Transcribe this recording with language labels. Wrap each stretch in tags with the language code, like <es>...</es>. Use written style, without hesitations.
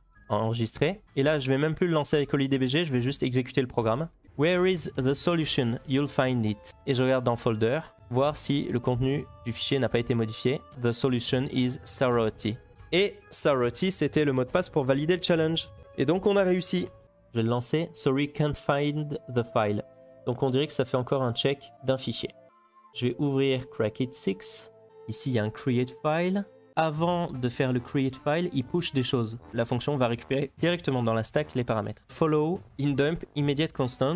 <fr>Enregistrer, et là je vais même plus le lancer avec OliDBG, je vais juste exécuter le programme.</fr> <en>Where is the solution? You'll find it.</en> <fr>Et je regarde dans folder, voir si le contenu du fichier n'a pas été modifié.</fr> <en>The solution is Sarotti.</en> <fr>Et Sarotti, c'était le mot de passe pour valider le challenge. Et donc on a réussi. Je vais le lancer.</fr> <en>Sorry, can't find the file.</en> <fr>Donc on dirait que ça fait encore un check d'un fichier. Je vais ouvrir Crackit 6. Ici, il y a un create file. Avant de faire le create file, il push des choses. La fonction va récupérer directement dans la stack les paramètres.</fr> <en>Follow in dump immediate constant.</en>